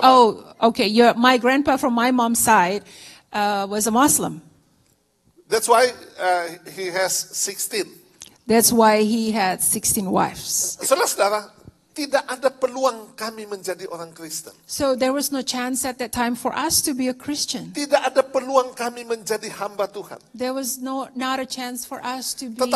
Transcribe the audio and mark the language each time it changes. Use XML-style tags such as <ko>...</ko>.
<en>mom. Oh, okay. My grandpa from my mom's side was a Muslim. That's why he has 16. That's why he had 16 wives.</en> <id>Saudara-saudara, tidak ada peluang kami menjadi orang Kristen.</id> <en>So there was no chance at that time for us to be a Christian.</en> <id>Tidak ada peluang kami menjadi hamba Tuhan.</id> <en>There was not a chance for us to be</en>